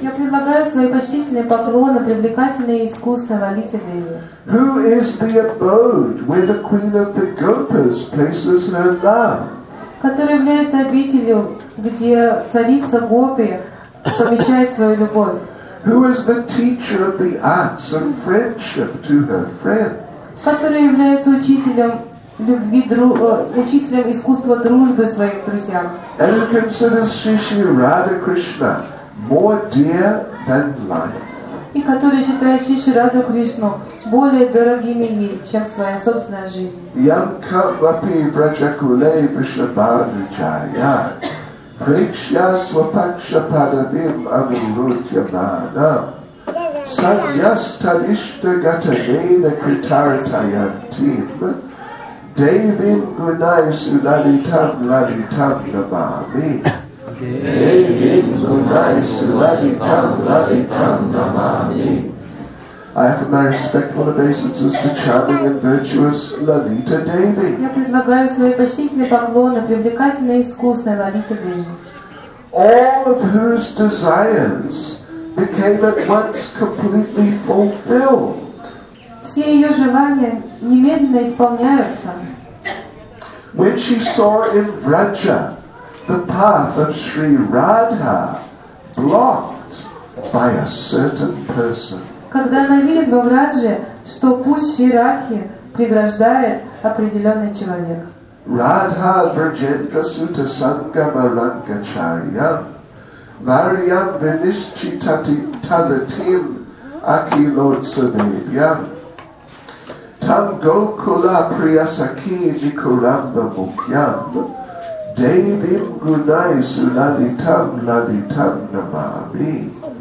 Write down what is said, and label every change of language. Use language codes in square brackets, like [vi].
[ru] Я предлагаю свои почтительные поклоны привлекательной и искусной Лалите Деви. [en] Who is the abode where the queen of the Gopas places her love? [ru] Которая является обителью, где царица Гопи помещает свою любовь. [en] Who is the teacher of the arts of friendship to her friend? [ru] Который является учителем любви, учителем искусства дружбы своим друзьям. [en] And who considers Shri Radha Krishna more dear than life? [ru] И который считает Шри Радху Кришну более дорогими ей, чем своя собственная жизнь. [sa] Yamka vapi vrajakule vrishabhanujaya. Рикшья свапакша падавим амурутья бадам Sadhyas Tadishta Gatavena Kritaratayantim Devin Gunai Sudaritam Laditam Namami Devin Gunai Sudaritam Laditam Namami. [en] I offer my respectful obeisances to charming and virtuous Lalita Devi. [ru] Я предлагаю свои почтительные поклоны привлекательной и искусной Лалите Деви. [en] All of whose desires became at once completely fulfilled. [ru] Все ее желания немедленно исполняются. [en] When she saw in Vraja the path of Sri Radha blocked by a certain person. [ru] Когда она видит во Врадже, что путь Шри Радхи преграждает определенный человек. [sa] Радха Враджендра Сута Сангама Рангачарья Варьям Винишчитати Талатим Акилотсанебьям Там Гокула Приясаки Никурамба Мукьям Девим Гунай Сулалитам Лалитам Намами.